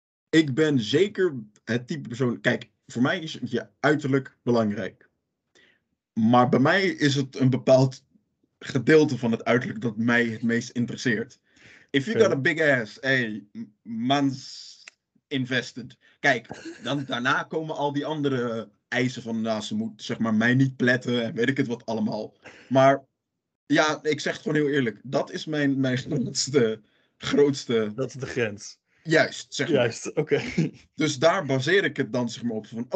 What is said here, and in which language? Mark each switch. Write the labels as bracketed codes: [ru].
[nl] Ik ben zeker het type persoon... Kijk, voor mij is je uiterlijk belangrijk. Maar bij mij is het een bepaald gedeelte van het uiterlijk dat mij het meest interesseert. [en] If you got a big ass, hey, man's invested. [nl] Kijk, dan daarna komen al die andere eisen van, nou, ze moet zeg maar mij niet pletten en weet ik het wat allemaal. Maar ja, ik zeg het gewoon heel eerlijk, dat is mijn grootste... Dat is de grens. Juist, zeg maar. Juist, oké. Okay. Dus daar baseer ik het dan zeg maar op van, oké.